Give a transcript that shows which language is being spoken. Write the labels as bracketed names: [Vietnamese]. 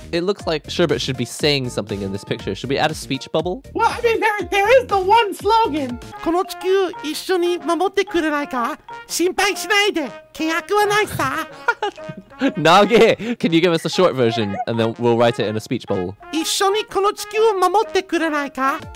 [English] It looks like Sherbert should be saying something in this picture. Should we add a speech bubble? Well, I mean, there is the one slogan. [Japanese] この地球一緒に守ってくれないか?心配しないで。契約はないさ。 [English] Nage, can you give us a short version and then we'll write it in a speech bubble? [Japanese] 一緒にこの地球を守ってくれないか?